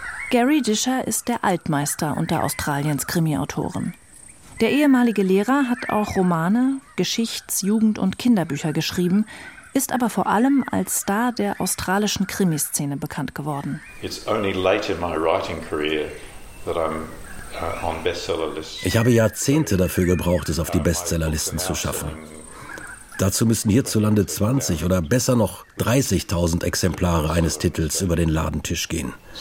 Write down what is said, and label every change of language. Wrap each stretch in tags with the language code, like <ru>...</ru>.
<de>Gary Disher ist der Altmeister unter Australiens Krimiautoren. Der ehemalige Lehrer hat auch Romane, Geschichts-, Jugend- und Kinderbücher geschrieben, ist aber vor allem als Star der australischen Krimiszene bekannt geworden.</de> <en>It's only late in my writing career that I'm on bestsellerlisten.</en> <de>Ich habe Jahrzehnte dafür gebraucht, es auf die Bestsellerlisten zu schaffen. Dazu müssen hierzulande 20 oder besser noch 30.000 Exemplare eines Titels über den Ladentisch gehen.</de>